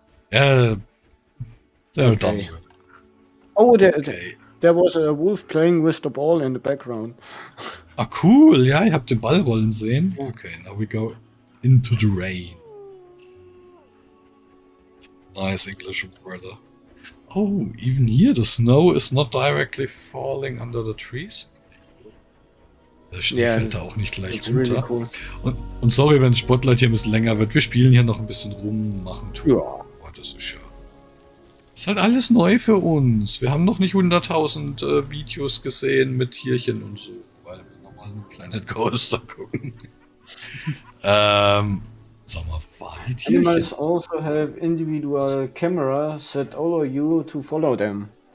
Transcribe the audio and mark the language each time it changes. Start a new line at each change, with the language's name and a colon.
English: There was a wolf playing with the ball in the background. Ah, cool.
German: Ja, ihr habt den Ball rollen sehen.
English: Okay, now we go into the rain. Nice English weather. Oh, even here the snow is not directly falling under the trees.
German: Der Schnee fällt da auch nicht gleich runter.
English: Really cool.
German: Und sorry, wenn das Spotlight hier ein bisschen länger wird. Wir spielen hier noch ein bisschen rum, machen Tour. Ja. Boah, das ist ja. Ist halt alles neu für uns. Wir haben noch nicht 100.000 Videos gesehen mit Tierchen und so, weil wir nochmal einen Planet Coaster gucken. sag mal, wo waren die Tierchen?
English: Animals also have individual cameras that allow you to follow them.